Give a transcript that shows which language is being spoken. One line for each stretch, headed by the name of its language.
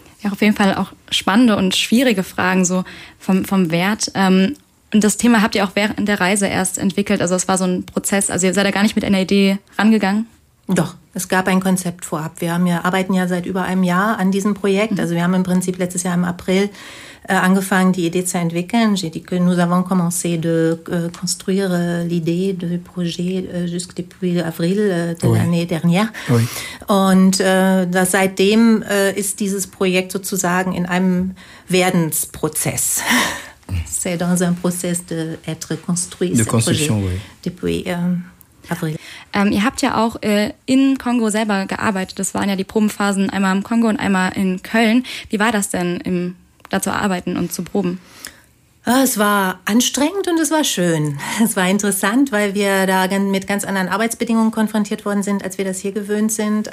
German: Ja, auf jeden Fall auch spannende und schwierige Fragen so vom Wert. Und das Thema habt ihr auch während der Reise erst entwickelt. Also es war so ein Prozess, also ihr seid da gar nicht mit einer Idee rangegangen. Doch, es gab ein Konzept vorab. Wir arbeiten ja seit über einem Jahr an diesem Projekt. Also wir haben im Prinzip letztes Jahr im April angefangen, die Idee zu entwickeln.
French: J'ai dit que nous avons commencé de construire l'idée du projet jusque depuis avril de l'année dernière. Und seitdem ist dieses Projekt sozusagen in einem Werdensprozess. C'est dans un process de être construit. De construction, oui. Depuis avril.
German: Ihr habt ja auch in Kongo selber gearbeitet. Das waren ja die Probenphasen einmal im Kongo und einmal in Köln. Wie war das denn, da zu arbeiten und zu proben? Es war anstrengend und es war schön. Es war interessant, weil wir da mit ganz anderen Arbeitsbedingungen konfrontiert worden sind, als wir das hier gewöhnt sind.